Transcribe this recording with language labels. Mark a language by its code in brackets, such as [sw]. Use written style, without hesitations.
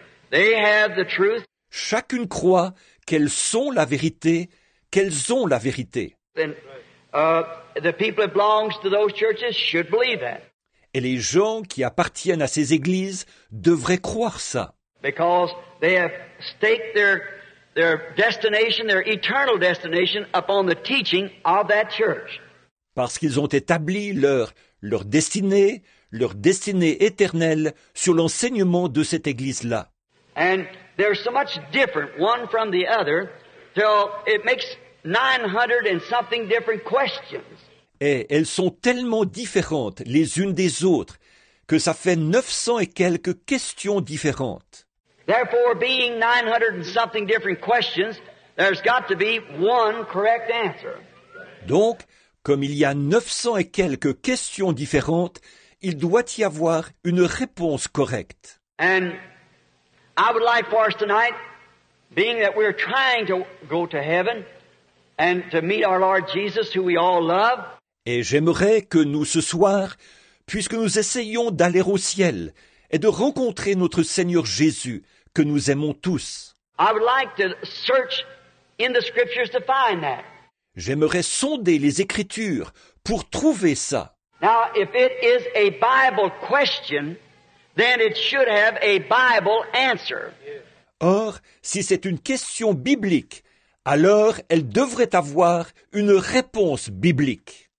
[en] They have the truth. [fr] Chacune croit qu'elles sont la vérité, qu'elles ont la vérité. [en] And, the people that belongs to those churches should believe that. [fr] Et les gens qui appartiennent à ces églises devraient croire ça. [en] Because they have staked their destination, their eternal destination, upon the teaching of that church. [fr] Parce qu'ils ont établi leur destinée éternelle sur l'enseignement de cette église-là. [en] And they're so much different one from the other, till it makes 900 and something different questions. [fr] Et elles sont tellement différentes les unes des autres que ça fait 900 et quelques questions différentes. [en] Therefore, being 900 and something different questions, there's got to be one correct answer. [fr] Donc, comme il y a 900 et quelques questions différentes, il doit y avoir une réponse correcte. [en] And I would like for us tonight, being that we're trying to go to heaven and to meet our Lord Jesus, who we all love. [fr] Et j'aimerais que nous ce soir, puisque nous essayons d'aller au ciel et de rencontrer notre Seigneur Jésus, que nous aimons tous. [en] I would like to search in the scriptures to find that. [fr] J'aimerais sonder les Écritures pour trouver ça. [en] Now, if it is a Bible question, then it should have a Bible answer. [fr] Or, si c'est une question biblique, alors elle devrait avoir une réponse biblique.